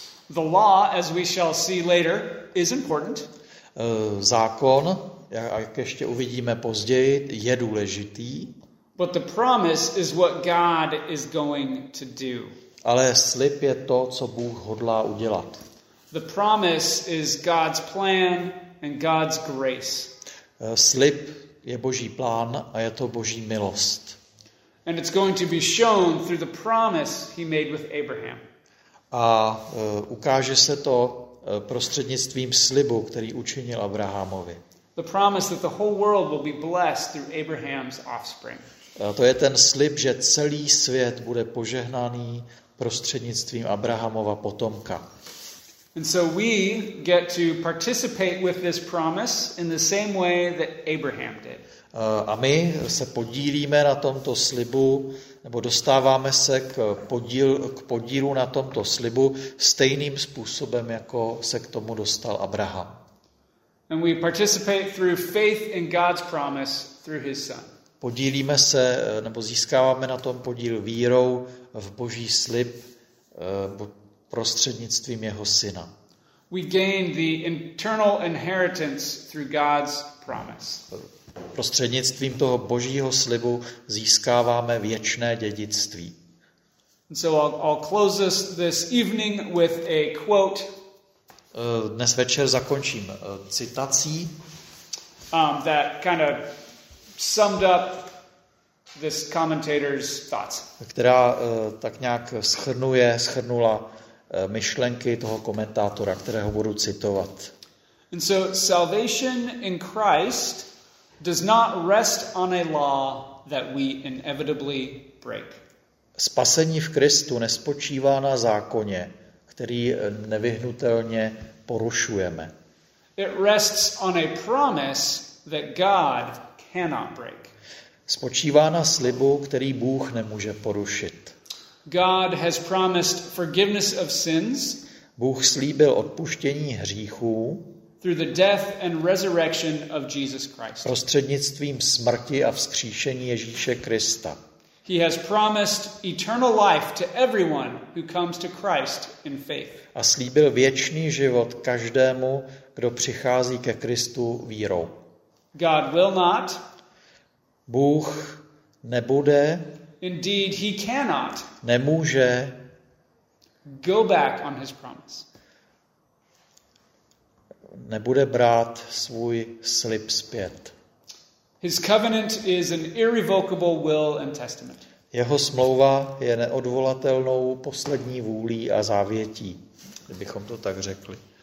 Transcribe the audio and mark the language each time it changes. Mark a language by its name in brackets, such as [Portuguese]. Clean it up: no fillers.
[English] The law, as we shall see later, is important. [Czech] Zákon, jak ještě uvidíme později, je důležitý. [English] But the promise is what God is going to do. [Czech] Ale slib je to, co Bůh hodlá udělat. [English] The promise is God's plan and God's grace. [Czech] Slib je Boží plán a je to Boží milost. [English] And it's going to be shown through the promise he made with Abraham. [Czech] A ukáže se to prostřednictvím slibu, který učinil Abrahamovi. [English] The promise that the whole world will be blessed through Abraham's offspring. [Czech] To je ten slib, že celý svět bude požehnaný prostřednictvím Abrahamova potomka. [English] And so we get to participate with this promise in the same way that Abraham did. [Czech] A my se podílíme na tomto slibu, nebo dostáváme se k podílu na tomto slibu stejným způsobem, jako se k tomu dostal Abraham. [English] And we participate through faith in God's promise through his son. [Czech] Podílíme se, nebo získáváme na tom podíl vírou v Boží slib prostřednictvím jeho syna. [English] We gain the internal inheritance through God's promise. [Czech] Prostřednictvím toho Božího slibu získáváme věčné dědictví. [English] So I'll close this evening with a quote. [Czech] Dnes večer zakončím citací. [English] That kind of summed up this commentator's thoughts. [Czech] Která tak nějak shrnula myšlenky toho komentátora, kterého budu citovat. [English] And so salvation in Christ does not rest on a law that we inevitably break. [Czech] Spasení v Kristu nespočívá na zákoně, který nevyhnutelně porušujeme. [English] It rests on a promise that God cannot break. [Czech] Spočívá na slibu, který Bůh nemůže porušit. [English] God has promised forgiveness of sins. [Czech] Bůh slíbil odpuštění hříchů. [English] Through the death and resurrection of Jesus Christ. [Czech] Prostřednictvím smrti a vzkříšení Ježíše Krista. [English] He has promised eternal life to everyone who comes to Christ in faith. [Czech] A slíbil věčný život každému, kdo přichází ke Kristu vírou. [English] God will not. [Czech] Bůh nebude. [English] Indeed, he cannot. [Czech] Nemůže. [English] Go back on his promise. [Czech] Nebude brát svůj slib zpět. [English] His covenant is an irrevocable will and testament. [Czech] Jeho smlouva je neodvolatelnou poslední vůlí a závětí, kdybychom to tak řekli.